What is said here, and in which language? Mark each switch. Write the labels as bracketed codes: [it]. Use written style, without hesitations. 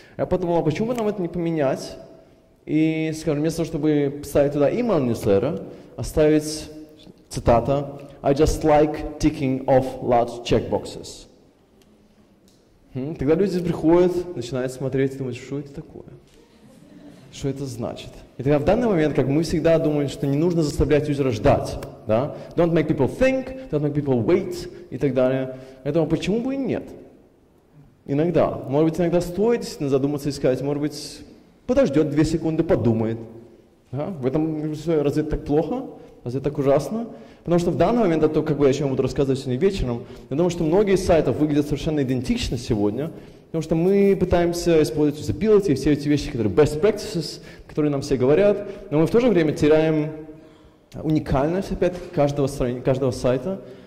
[ru] Я подумал, а почему бы нам это не поменять? И, скажем, вместо того, чтобы ставить туда email newsletter, оставить цитата [en] «I just like ticking off large checkboxes». [ru] Тогда люди приходят, начинают смотреть и думать, что это такое, что это значит. И тогда в данный момент, как мы всегда думаем, что не нужно заставлять юзера ждать, да? [en] Don't make people think, don't make people wait [ru] и так далее. Поэтому почему бы и нет? Иногда. Может быть, иногда стоит задуматься и сказать, может быть, подождет 2 секунды, подумает. Да? В этом разве так плохо? Разве так ужасно? Потому что в данный момент, это то, как бы я еще буду рассказывать сегодня вечером, я думаю, что многие сайты выглядят совершенно идентично сегодня, потому что мы пытаемся использовать usability, все эти вещи, которые best practices, которые нам все говорят, но мы в то же время теряем уникальность опять каждого сайта.